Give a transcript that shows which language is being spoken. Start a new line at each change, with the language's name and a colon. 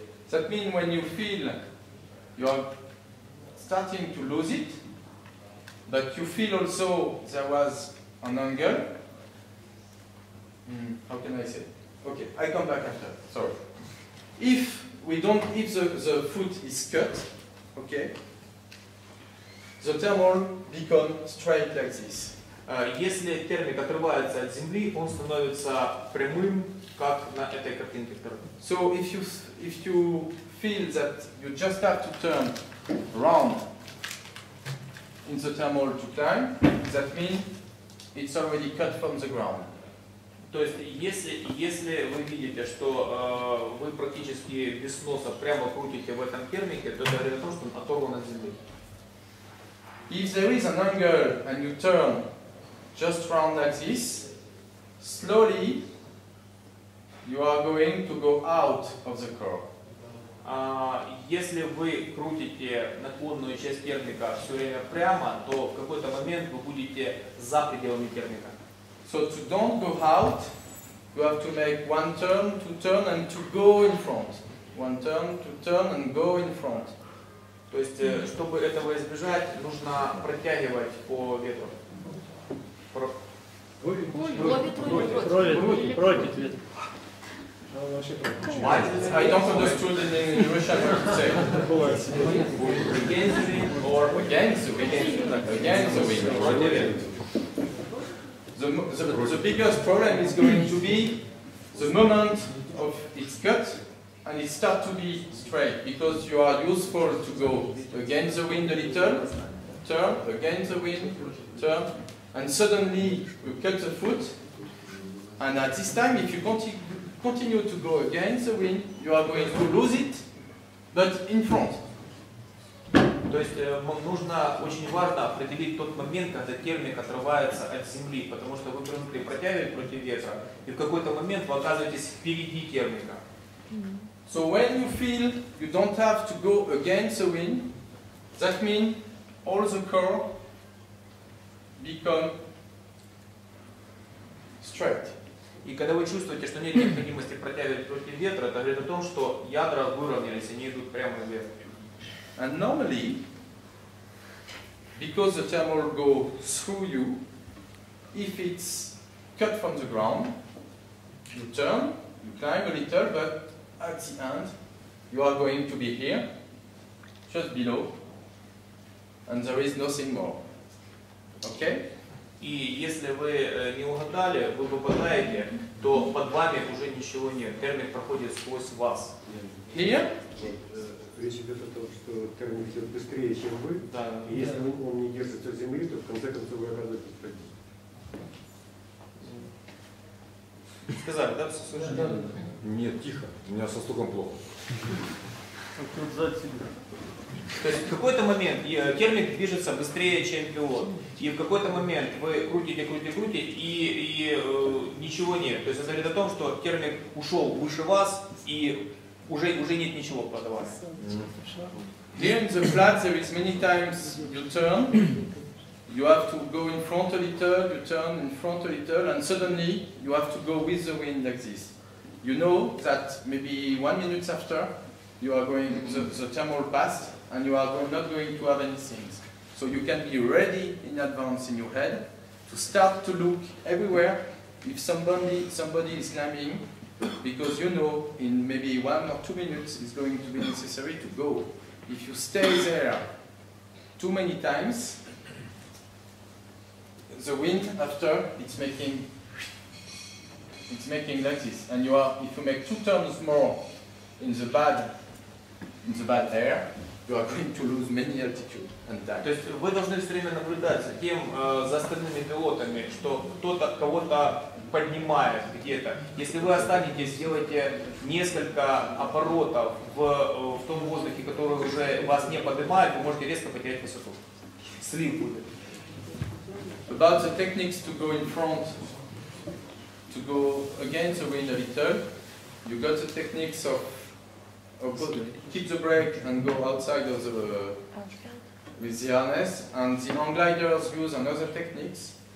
English: That means when you feel you are starting to lose it, but you feel also there was an angle. How can I say? Okay, I come back after. Sorry. If the foot is cut, okay? The thermal become straight like this.
Russian: Если термик отрывается от земли, он становится прямым, как на этой картинке.
English: So if you feel that you just have to turn round in the thermal to climb, that means it's already cut from the ground.
Russian: То есть если вы видите, что вы практически без носа прямо крутите в этом термике, то это говорит о том, что он оторван от земли.
English: If there is an angle and you turn just round like this, slowly you are going to go out of the curve.
Russian: Если вы крутите наклонную часть термика все время прямо, то в какой-то момент вы будете за пределами термика.
English: So to don't go out, you have to make one turn, two turn, and to go in front. One turn, two turn, and go in front.
Russian: То есть, чтобы этого избежать, нужно протягивать по ветру. Против ветра.
English: the biggest problem is going to be the moment of its cut, and it starts to be straight, because you are useful to go against the wind a little, turn, against the wind, turn, and suddenly you cut the foot, and at this time, if you continue to go against the wind, you are going to lose it, but in front.
Russian: То есть нужно очень важно определить тот момент, когда термик отрывается от земли, потому что вы привыкли протягивать против ветра, и в какой-то момент вы оказываетесь впереди термика.
English: So when you feel you don't have to go against the wind, that means all the core become straight.
Russian: И когда вы чувствуете, что нет необходимости протягивать против ветра, это говорит о том, что ядра выровнялись, они идут прямо вверх.
English: And normally, because the thermal go through you, if it's cut from the ground, you turn, you climb a little, but at the end, you are going to be here, just below, and there is nothing more. Okay?
Russian: И если вы не угадали, вы попадаете, то под вами уже ничего нет. Термик проходит сквозь вас.
English: Here?
Russian: Речь идет о том, что термик идет быстрее, чем вы. Да, и если он не держится от земли, то в конце концов вы оказываетесь в пределе. Сказали, да? Все слышали? Да, да, да. Нет, тихо. У меня со стуком плохо. То есть в какой-то момент термик движется быстрее, чем пилот. И в какой-то момент вы крутите, и ничего нет. То есть это говорит о том, что термик ушел выше вас, и уже нет ничего под вас.
English: During the flat, there is many times you turn, you have to go in front a little, you turn in front a little, and suddenly you have to go with the wind like this. You know that maybe 1 minute after, you are going the thermal pass, and you are not going to have anything. So you can be ready in advance in your head to start to look everywhere if somebody is climbing, because you know in maybe 1 or 2 minutes it's going to be necessary to go. If you stay there too many times, the wind after it's making like this, and you are, if you make 2 turns more in the bad air, you are going to lose many altitude and time.
Russian: То есть вы должны все время наблюдать за тем, за остальными пилотами, что кто-то кого-то поднимает где-то. Если вы останетесь, сделайте несколько оборотов в том воздухе, который уже вас не поднимает, вы можете резко потерять высоту. Слив будет.
English: About the techniques to go in front, to go against the wind a little, you got the techniques of keep the brake and go outside of the with the harness, and the hang gliders use another techniques.